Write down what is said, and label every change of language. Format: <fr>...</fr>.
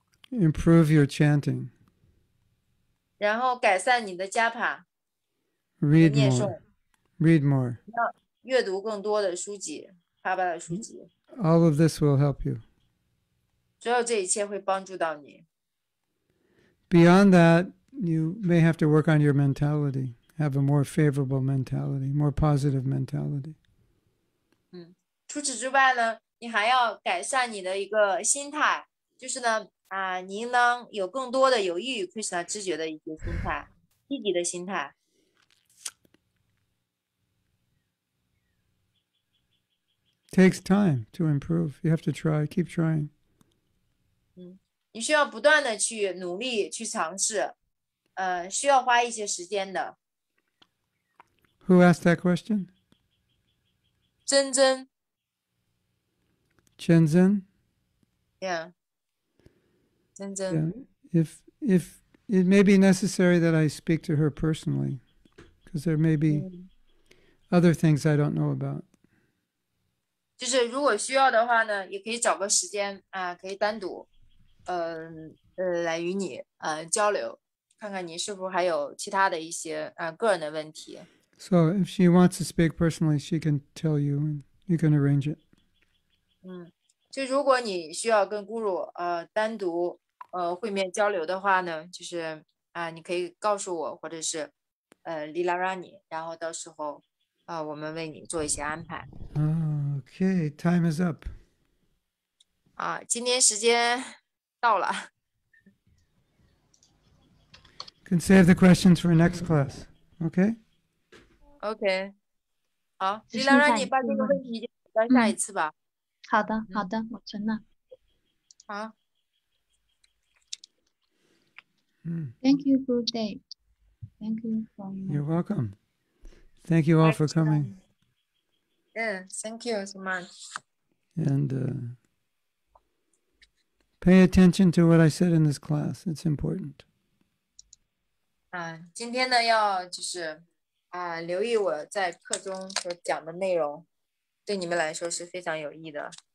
<en>Improve your chanting.</en> <zh>然后改善你的加帕。</zh> <en>Read more. Read more.</en> <zh>阅读更多的书籍，帕巴的书籍。</zh> <en>All of this will help you.</en> <zh>所有这一切会帮助到你。</zh> <en>Beyond that, you may have to work on your mentality. Have a more favorable mentality, more positive mentality.</en> <zh>嗯，除此之外呢，你还要改善你的一个心态，就是呢，啊，你应当有更多的有益于 Krishna 知觉的一个心态，积极的心态。</zh> <en>Takes time to improve. You have to try. Keep trying.</en> <zh>嗯，你需要不断的去努力，去尝试，需要花一些时间的。</zh> <en>Who asked that question?</en> <zh>珍珍。珍珍。</zh> <en>Yeah. 珍珍。 Yeah. If it may be necessary that I speak to her personally, because there may be other things I don't know about.</en> <zh>就是如果需要的话呢，也可以找个时间啊，可以单独，来与你交流，看看你是否还有其他的一些个人的问题。</zh> <en>So if she wants to speak personally, she can tell you, and you can arrange it.</en> <zh>嗯，就如果你需要跟咕噜单独会面交流的话呢，就是你可以告诉我，或者是Lilarani，然后到时候我们为你做一些安排。</zh> <en>Okay, time is up.</en> <zh>啊，今天时间到了。</zh> <en>Can save the questions for next class. Okay. Okay.</en> <zh>好，李兰让你把这个问题留下一次吧。好的，好的，我存了。好。</zh> <en>Thank you, good day. Thank you for. You're welcome. Thank you all for coming. Yeah, thank you so much. And pay attention to what I said in this class. It's important.</en> <zh>今天呢要就是留意我在课中所讲的内容，对你们来说是非常有益的。</zh>